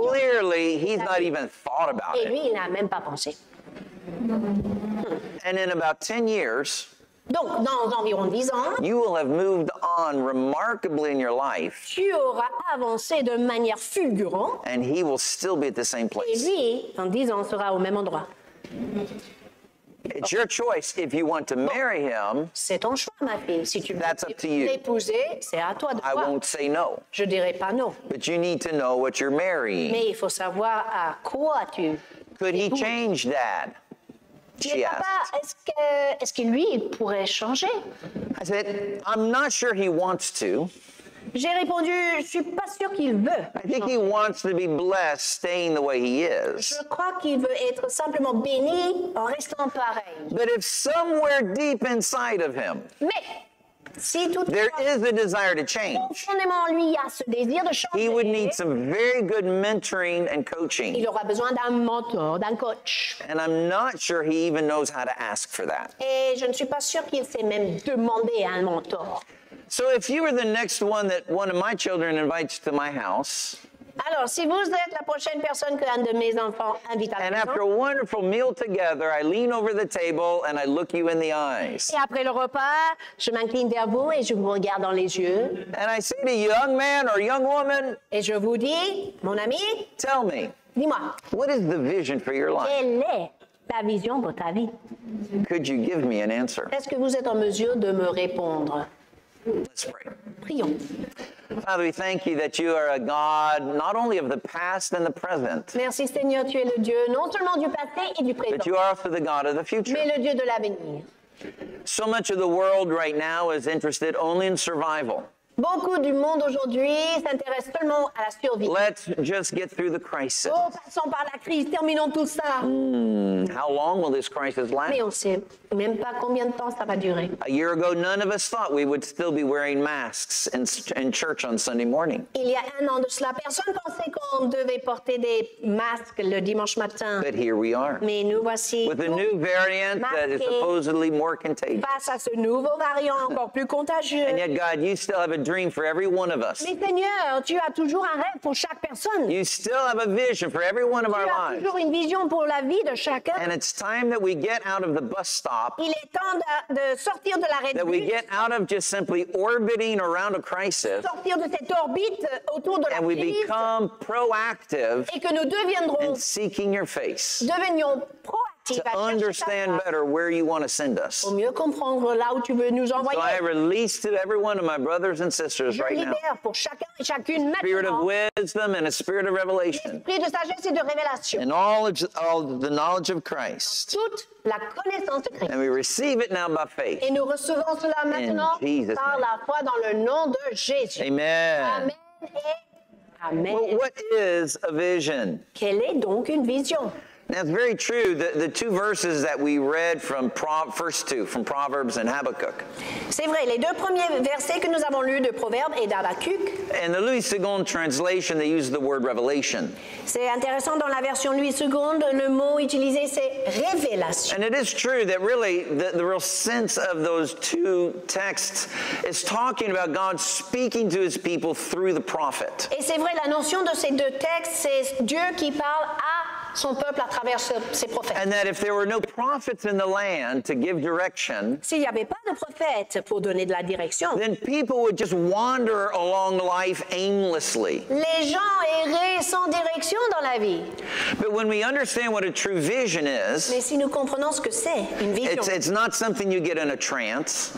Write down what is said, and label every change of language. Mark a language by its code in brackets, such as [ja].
[en] Clearly, he's not even thought about [fr] et [en] it. [fr] Et lui, il n'a même pas pensé. [en] And in about 10 years, [fr] donc, dans environ 10 ans, [en] you will have moved on remarkably in your life. [fr] Tu auras avancé de manière fulgurante. [en] And he will still be at the same place. [fr] Et lui, dans 10 ans, sera au même endroit. [en] It's your choice if you want to marry him. [fr] C'est ton choix, ma fille. Si tu [en] that's up to you. [fr] L'épouser, c'est à toi de [en] I won't say no. [fr] Je dirai pas non. [en] But you need to know what you're marrying. [fr] Mais il faut savoir à quoi tu [en] could he change that? She [fr] papa, [en] asked. [fr] Est-ce que lui, il pourrait changer? [en] I said, I'm not sure he wants to. [fr] J'ai répondu, je suis pas sûr qu'il veut. [en] I think he wants to be blessed staying the way he is. [fr] Je crois qu'il veut être simplement béni en restant pareil. [en] But if somewhere deep inside of him, [fr] mais si tout [en] there is a desire to change, [fr] profondément en lui, il y a ce désir de changer. [en] He would need some very good mentoring and coaching. [fr] Il aura besoin d'un mentor, d'un coach. [en] And I'm not sure he even knows how to ask for that. [fr] Et je ne suis pas sûr qu'il sait même demander un mentor. [en] So if you were the next one that one of my children invites to my house, [fr] alors, si vous êtes la prochaine personne que un de mes enfants invite à la [en] and after a wonderful meal together, I lean over the table and I look you in the eyes. [fr] Et après le repas, je m'incline vers vous et je vous regarde dans les yeux. [en] And I say to you, young man or young woman, [fr] et je vous dis, mon ami, [en] tell me, [fr] dis-moi, [en] what is the vision for your life? [fr] Quelle est ta vision pour ta vie? [en] Could you give me an answer? [fr] Est-ce que vous êtes en mesure de me répondre? [en] Let's pray. [fr] Prions. [en] Father, we thank you that you are a God not only of the past and the present. [fr] Merci Seigneur, tu es le Dieu non seulement du passé et du présent. [en] But you are also the God of the future. [fr] Mais le Dieu de l'avenir. [en] So much of the world right now is interested only in survival. [fr] Beaucoup du monde aujourd'hui s'intéresse seulement à la survie. [en] Let's just get through the crisis. [fr] Oh, passons par la crise, terminons tout ça. [en] How long will this crisis last? [fr] Mais on sait même pas combien de temps ça va durer. [en] A year ago, none of us thought we would still be wearing masks in church on Sunday morning. [fr] Il y a un an de cela, personne pensait qu'on devait porter des masques le dimanche matin. [en] But here we are. [fr] Mais nous voici. [en] With a new variant that is supposedly more contagious. [fr] Face à ce nouveau variant encore plus contagieux. [en] And yet, God, you still have a dream for every one of us. [fr] Mais Seigneur, tu as toujours un rêve pour chaque personne. [en] You still have a vision for every one of our lives. [fr] Tu as toujours une vision pour la vie de chacun. [en] And it's time that we get out of the bus stop. [fr] Il est temps de sortir de l'arrêt de bus. [en] That we get out of just simply orbiting around a crisis. [fr] Sortir de cette orbite autour de la crise. [en] And we become proactive. [fr] Et que nous deviendrons. [en] In seeking your face. [fr] Devenions proactifs. [en] To understand better where you want to send us. [fr] Pour mieux comprendre là où tu veux nous envoyer. [en] So I release to every one of my brothers and sisters right now. [fr] Je libère pour chacun et chacune maintenant. [en] Spirit of wisdom and a spirit of revelation. [fr] L'esprit de sagesse et de révélation. [en] And all the knowledge of Christ. [fr] Toute la connaissance de Christ. [en] And we receive it now by faith. [fr] Et nous recevons cela maintenant par la foi dans le nom de Jésus. [en] Amen. [fr] Amen. [en] Well, what is a vision? [fr] Quelle est donc une vision? [en] Now it's very true. The two verses that we read from first two from Proverbs and Habakkuk. [fr] C'est vrai, les deux premiers versets que nous avons lus de Proverbes et d'Habakkuk. [en] In the Louis II translation, they use the word revelation. [fr] C'est intéressant dans la version Louis II, le mot utilisé c'est révélation. [en] And it is true that really the real sense of those two texts is talking about God speaking to His people through the prophet. [fr] Et c'est vrai, la notion de ces deux textes c'est Dieu qui parle à son peuple à travers ses prophètes. [en] And that if there were no prophets in the land to give direction, [fr] s'il n'y avait pas de prophètes pour donner de la direction, [en] then people would just wander along life aimlessly. [fr] Les gens erraient sans direction dans la vie. [en] But when we understand what a true vision is, [fr] mais si nous comprenons ce que c'est une vision, [en] it's not something you get in a trance.